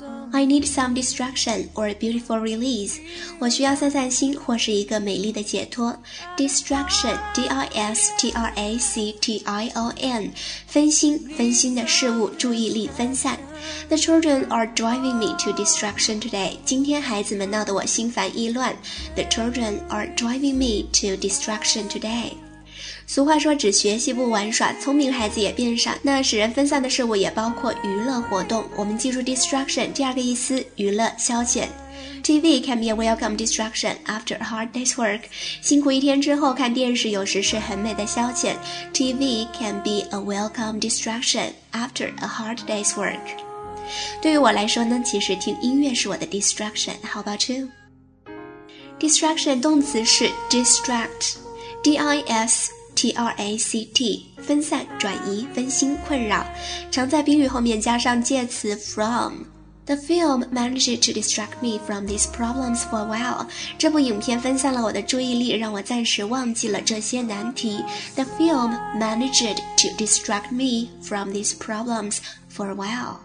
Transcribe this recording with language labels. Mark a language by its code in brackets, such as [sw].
[en] I need some distraction or a beautiful release. [zh] 我需要散散心或是一个美丽的解脱。Distraction, D-I-S-T-R-A-C-T-I-O-N, 分心，分心的事物，注意力分散。 [en] The children are driving me to distraction today. [zh] 今天孩子们闹得我心烦意乱。 [en] The children are driving me to distraction today. [zh] 俗话说只学习不玩耍，聪明孩子也变傻，那使人分散的事物也包括娱乐活动。我们记住 distraction 第二个意思，娱乐消遣。 [en] TV can be a welcome distraction after a hard day's work. [zh] 辛苦一天之后看电视有时是很美的消遣。 [en] TV can be a welcome distraction after a hard day's work. [zh] 对于我来说呢，其实听音乐是我的 distraction. [en] How about you? [zh] Distraction 动词是 distract, D-I-S-T-R-A-C-T, 分散、转移、分心、困扰，常在宾语后面加上介词 from. [en] The film managed to distract me from these problems for a while. [zh] 这部影片分散了我的注意力，让我暂时忘记了这些难题。 [en] The film managed to distract me from these problems for a while.